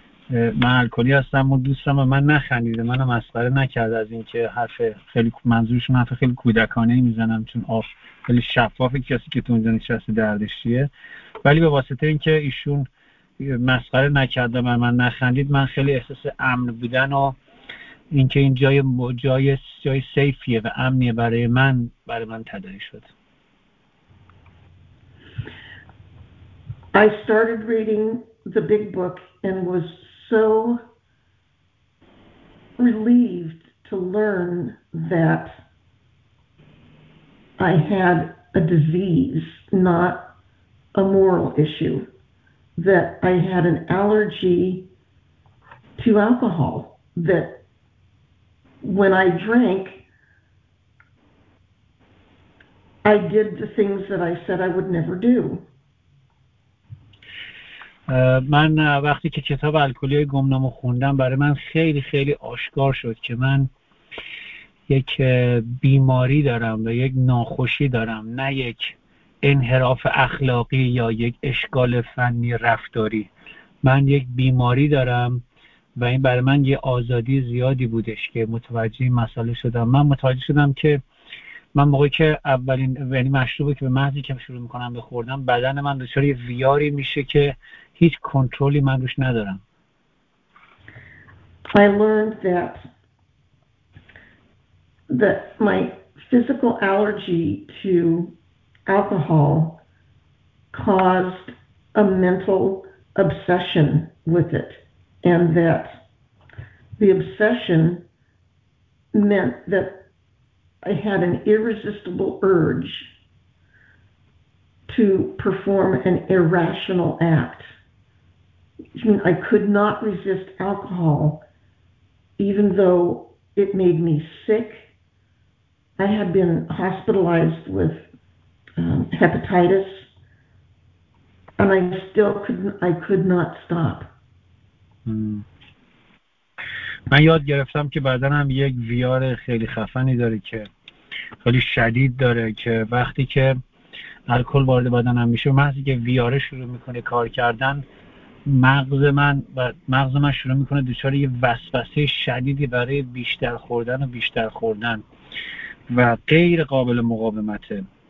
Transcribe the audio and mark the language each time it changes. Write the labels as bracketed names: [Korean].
[Persian] من الکلی هستم و دوستم و من نخندیده، منو مسخره نکرد از اینکه حرف خیلی منظورشون حرف خیلی کودکانه میزنم، چون آف خیلی شفافه کسی که تو اونجا نشسته دردشیه، ولی به واسطه اینکه ایشون مسخره نکرد و من نخندید، من خیلی احساس امن بودن و اینکه این جای سیفیه و امنیه برای من تداعی شد. [English] I started reading the big book and was so relieved to learn that I had a disease, not a moral issue, that I had an allergy to alcohol, that when I drank, I did the things that I said I would never do. [Persian] من وقتی که کتاب الکلی گمنامو خوندم برای من خیلی خیلی آشکار شد که من یک بیماری دارم و یک ناخوشی دارم، نه یک انحراف اخلاقی یا یک اشکال فنی رفتاری. من یک بیماری دارم و این برای من یه آزادی زیادی بودش که متوجه مسئله شدم. من متوجه شدم که من موقعی که اولین یعنی مشروبی که به محضی که شروع میکنم بخوردم، بدن من دچار یه ویاری میشه که هیچ کنترلی من روش ندارم. [English] I learned that my physical allergy to alcohol caused a mental obsession with it, and that the obsession meant that I had an irresistible urge to perform an irrational act. I could not resist alcohol, even though it made me sick. I had been hospitalized with hepatitis, and I still couldn't. I could not stop. [Persian] من یاد گرفتم که بدنم یک ویار خیلی خفنی داره که خیلی شدید داره، که وقتی که الکل وارد بدنم میشه، محضی که ویاره شروع میکنه کار کردن، مغز من شروع میکنه دچار یه وسوسه شدیدی برای بیشتر خوردن و بیشتر خوردن و غیر قابل مقاومته.